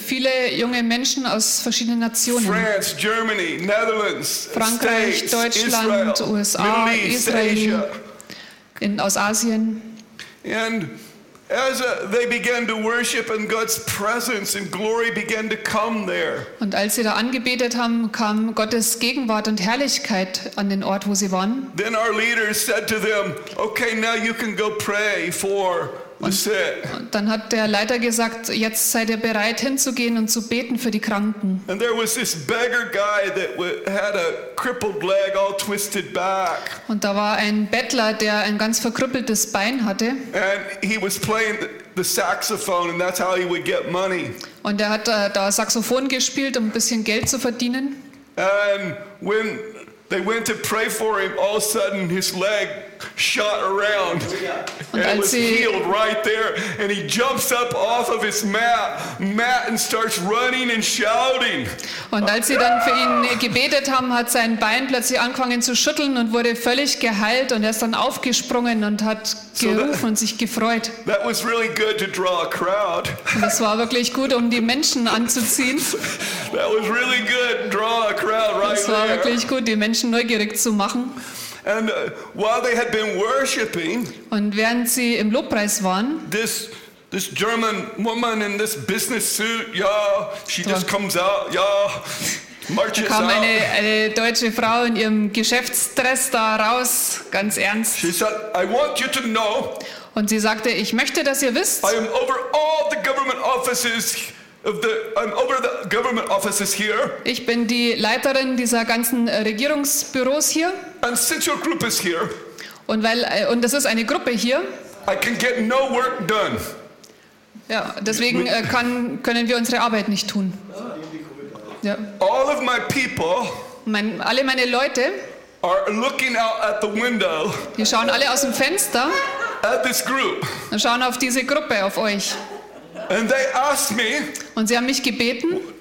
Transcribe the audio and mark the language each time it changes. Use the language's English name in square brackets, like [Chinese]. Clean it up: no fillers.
[German] viele junge Menschen aus verschiedenen Nationen. [English] France, Germany, Netherlands, [German] Frankreich, [English] States, [German] Deutschland, Israel, USA, [English] Middle East, [German] Israel, [English] Asia. [German] Aus Asien. [English] And as they began to worship and God's presence and glory began to come there. [German] Und als sie da angebetet haben, kam Gottes Gegenwart und Herrlichkeit an den Ort, wo sie waren. [English] Then our leader said to them, "Okay, now you can go pray for the sick." [German] Und dann hat der Leiter gesagt, jetzt seid ihr bereit hinzugehen und zu beten für die Kranken. [English] And there was this beggar guy that had a crippled leg all twisted back. [German] Und da war ein Bettler, der ein ganz verkrüppeltes Bein hatte. [English] And he was playing the saxophone and that's how he would get money. [German] Und er hat da Saxophon gespielt, um ein bisschen Geld zu verdienen. [English] And when they went to pray for him, all of a sudden his leg shot around. And was healed right there. And he jumps up off of his mat and starts running and shouting. [German] Und als sie dann für ihn gebetet haben, hat sein Bein plötzlich angefangen zu schütteln und wurde völlig geheilt. Und er ist dann aufgesprungen und hat gerufen und sich gefreut. [English] That was really good to draw a crowd. [German] Das war wirklich gut, um die Menschen anzuziehen. [English] That was really good, draw a crowd right [German] there. Das war wirklich gut, die Menschen neugierig zu machen. [English] And while they had been worshiping, [German] und während sie im Lobpreis waren, [English] this German woman in this business suit, she just comes out, marches out. [German] Da kam eine deutsche Frau in ihrem Geschäftsdress da raus, ganz ernst. [English] She said, "I want you to know." [German] Und sie sagte, ich möchte, dass ihr wisst. [English] I am over all the government offices. I'm over the government offices here. [German] Ich bin die Leiterin dieser ganzen Regierungsbüros hier. [English] And since your group is here, [German] und das ist eine Gruppe hier. [English] I can get no work done. [German] Ja, deswegen können wir unsere Arbeit nicht tun. [English] Ja. All of my people, [German] alle meine Leute, [English] are looking out at the window. [German] Die schauen alle aus dem Fenster. [English] At this group. [German] Und schauen auf diese Gruppe, auf euch. [English] And they asked me, [German] und sie haben mich gebeten,